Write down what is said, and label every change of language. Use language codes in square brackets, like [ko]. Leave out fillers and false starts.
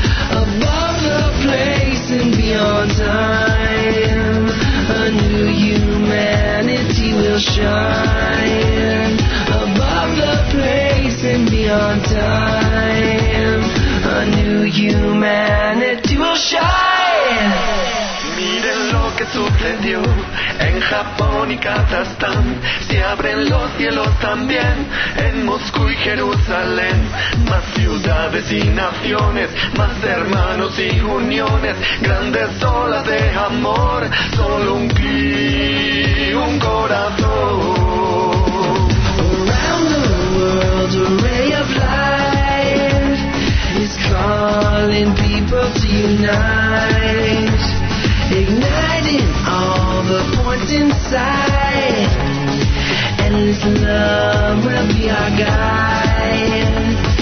[en] Above the place and beyond time, a new humanity will shine. Above the place and beyond time, a new humanity will shine. [es] Miren lo que sucedió en Japón y Kazajstán, se abren los cielos también en Moscú y Jerusalén. Más ciudades y naciones, más hermanos y uniones, grandes olas de amor, solo un pi, un corazón. [en] Around the world, a ray of light is calling people to unite, igniting all the points inside. Endless love will be our guide.